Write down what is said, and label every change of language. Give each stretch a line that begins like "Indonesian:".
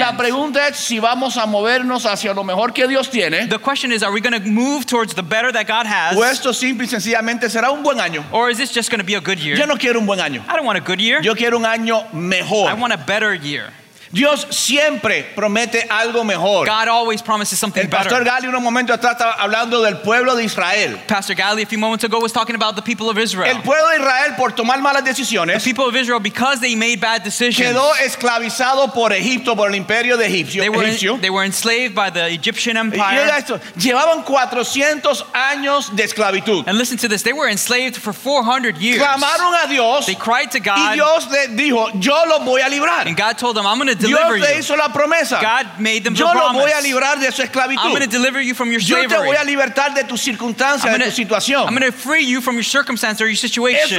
Spanish: La pregunta es si vamos a movernos hacia lo mejor que Dios tiene.
English: The question is, are we going to move towards the better that God has?
Spanish: O esto simple y sencillamente será un buen año.
English: Or is this just going to be a good year?
Spanish: Yo no quiero un buen año.
English: I don't want a good year.
Spanish: Yo quiero un año mejor.
English: I want a better year.
Spanish: Dios siempre promete algo mejor.
English: God always promises something better.
Spanish: El pastor Gally un momento atrás estaba hablando del pueblo de Israel.
English: Pastor Gally a few moments ago was talking about the people of Israel.
Spanish: El pueblo de Israel por tomar malas decisiones.
English: The people of Israel because they made bad decisions.
Spanish: Quedó esclavizado por Egipto por el imperio de Egipto.
English: They were enslaved by the Egyptian Empire.
Spanish: Y esto, llevaban 400 años de esclavitud.
English: And listen to this, they were enslaved for 400 years.
Spanish: Clamaron a Dios.
English: They cried to God.
Spanish: Y Dios les dijo, yo los voy a librar.
English: And God told them, I'm going to
Spanish: Dios te hizo la promesa.
English: God made them
Spanish: Yo
English: the
Spanish: lo
English: promise.
Spanish: Voy a librar de su esclavitud.
English: I'm going to deliver you from your slavery.
Spanish: Yo te voy a libertar de tus circunstancias, de tu situación.
English: I'm going to free you from your circumstance or your situation.